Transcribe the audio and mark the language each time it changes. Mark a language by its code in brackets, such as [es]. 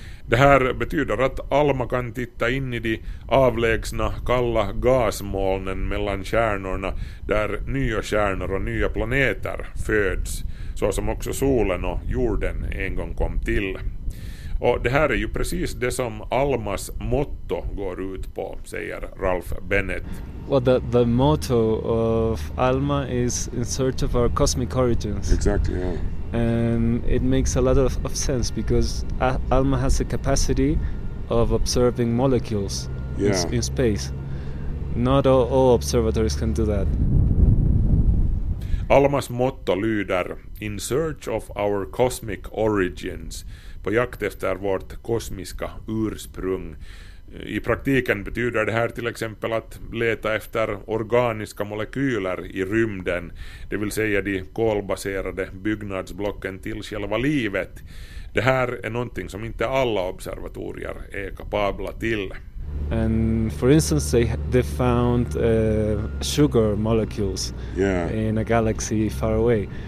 [sv] Det här betyder att Alma kan titta in i de avlägsna kalla gasmolnen mellan kärnorna där nya kärnor och nya planeter föds, så som också solen och jorden en gång kom till. Och det här är ju precis det som Almas motto går ut på, säger Ralph Bennett. [en] Well, the motto of Alma is in search of our cosmic origins. Exactly, yeah. And it makes a lot of sense because Alma has the capacity of observing molecules in space. Not all observatories can do that. [sv] Almas motto lyder [en] in search of our cosmic origins, [sv] på jakt efter vårt kosmiska ursprung. I praktiken betyder det här till exempel att leta efter organiska molekyler i rymden, det vill säga de kolbaserade byggnadsblocken till själva livet. Det här är någonting som inte alla observatorier är kapabla till. [en] And for instance they found sugar molecules in a galaxy far away.